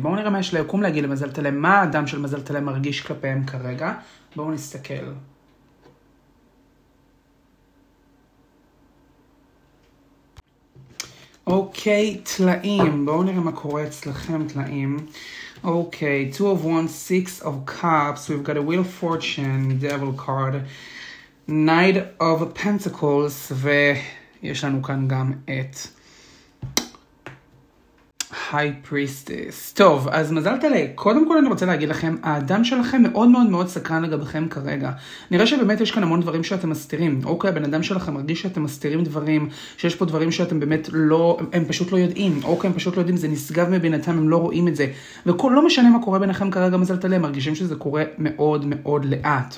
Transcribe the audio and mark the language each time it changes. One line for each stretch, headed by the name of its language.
Hebrew: בואו נראה מה יש ליקום להגיד למזל טלה. מה האדם של מזל טלה מרגיש כלפיהם כרגע? בואו נסתכל. אוקיי, טלאים. בואו נראה מה קורה אצלכם, טלאים.
English: אוקיי, 2 of Wands, 6 of Cups. We've got a Wheel of Fortune, Devil card, Knight of Pentacles,
Hebrew: ויש לנו כאן גם את
English: High Priestess.
Hebrew: טוב, אז מזל טלה. קודם כל אני רוצה להגיד לכם, האדם שלכם מאוד מאוד מאוד סקרן לגביכם כרגע. נראה שבאמת יש כאן המון דברים שאתם מסתירים. אוקיי, הבן אדם שלכם מרגיש שאתם מסתירים דברים, שיש פה דברים שאתם באמת לא, הם פשוט לא יודעים. אוקיי, הם פשוט לא יודעים, זה נשגב מבינתם, הם לא רואים את זה. וכל, לא משנה מה קורה ביניכם כרגע, מזל טלה, מרגישים שזה קורה מאוד מאוד לאט.